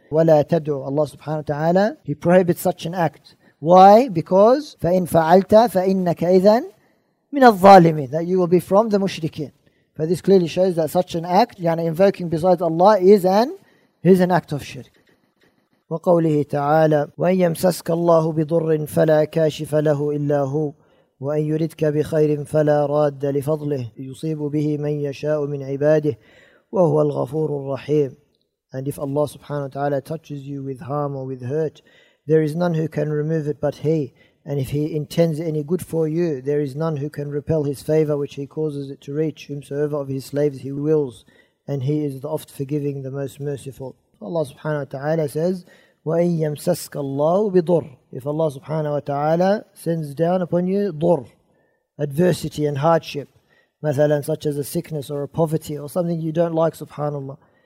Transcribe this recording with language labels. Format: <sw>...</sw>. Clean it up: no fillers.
<ar>وَلَا تَدْعُ</ar> <en>Allah subhanahu wa ta'ala, he prohibits such an act. Why? Because</en> <ar>فَإِن فَعَلْتَ فَإِنَّكَ إِذًا مِنَ الظَّالِمِينَ</ar> <en>That you will be from the mushrikeen. But this clearly shows that such an act, يعني invoking besides Allah, is an act of shirk.</en> <ar>وَقَوْلِهِ تَعَالَى وَإِن يَمْسَسْكَ اللَّهُ بِضُرٍ فَلَا كَاشِفَ لَهُ إِلَّا هُوَ وَإِن يُرِدْكَ بِخَيْرٍ فَلَا رَادَّ لِفَضْلِهِ يُصِيبُ بِهِ مَن يَشَاءُ مِنْ عِبَادِهِ وَهُوَ الْغَفُورُ الرَّحِيمُ</ar> <en>And if Allah subhanahu wa ta'ala touches you with harm or with hurt, there is none who can remove it but He. And if He intends any good for you, there is none who can repel His favor which He causes it to reach, whomsoever of His slaves He wills. And He is the oft forgiving, the most merciful. Allah subhanahu wa ta'ala says,</en> <ar>وَإِن يَمْسَسْكَ اللَّهُ بِضُرٍ</ar> <en>If Allah subhanahu wa ta'ala sends down upon you dur, adversity and hardship, مثلاً, such as a sickness or a poverty or something you don't like, subhanAllah.</en>